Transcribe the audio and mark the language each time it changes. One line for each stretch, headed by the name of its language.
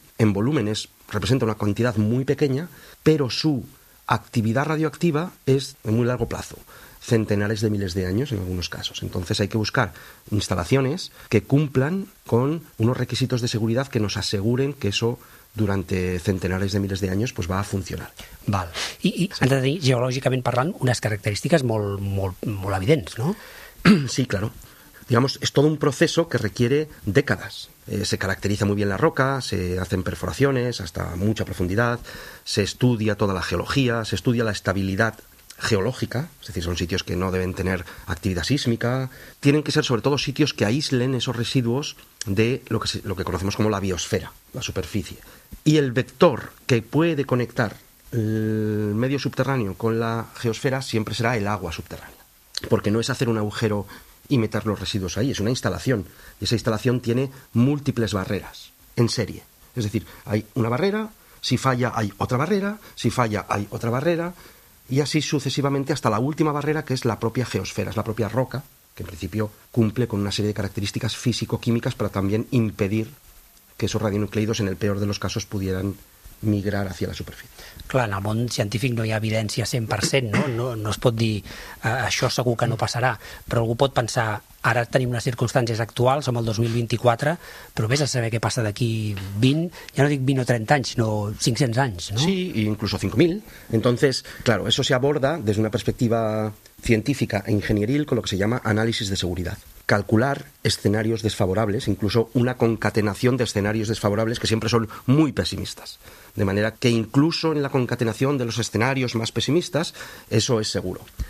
Spanish: En volúmenes representa una cantidad muy pequeña, pero su actividad radioactiva es de muy largo plazo, centenares de miles de años en algunos casos. Entonces hay que buscar instalaciones que cumplan con unos requisitos de seguridad que nos aseguren que eso durante centenares de miles de años pues va a funcionar.
Catalan: Val. I sí. Han de tenir, geològicament parlant, unes característiques molt, molt, molt evidents, no?
Spanish: Sí, claro. Digamos, es todo un proceso que requiere décadas. Se caracteriza muy bien la roca, se hacen perforaciones hasta mucha profundidad, se estudia toda la geología, se estudia la estabilidad geológica, es decir, son sitios que no deben tener actividad sísmica. Tienen que ser sobre todo sitios que aíslen esos residuos de lo que conocemos como la biosfera, la superficie. Y el vector que puede conectar el medio subterráneo con la geosfera siempre será el agua subterránea, porque no es hacer un agujero y meter los residuos ahí, es una instalación. Y esa instalación tiene múltiples barreras en serie. Es decir, hay una barrera, si falla hay otra barrera, si falla hay otra barrera, y así sucesivamente hasta la última barrera, que es la propia geosfera, es la propia roca, que en principio cumple con una serie de características físico-químicas para también impedir que esos radionucleidos, en el peor de los casos, pudieran migrar hacia la superficie.
Catalan: Clar, en el món científic no hi ha evidència 100%, no? No es pot dir això segur que no passarà, però algú pot pensar, ara tenim unes circumstàncies actuals, som el 2024, però vés a saber què passa d'aquí 20, ja no dic 20 o 30 anys, no 500 anys, no?
Spanish: Sí, i incluso 5.000. Entonces, claro, eso se aborda desde una perspectiva científica e ingenieril con lo que se llama análisis de seguridad. Calcular escenarios desfavorables, incluso una concatenación de escenarios desfavorables que siempre son muy pesimistas. De manera que incluso en la concatenación de los escenarios más pesimistas, eso es seguro.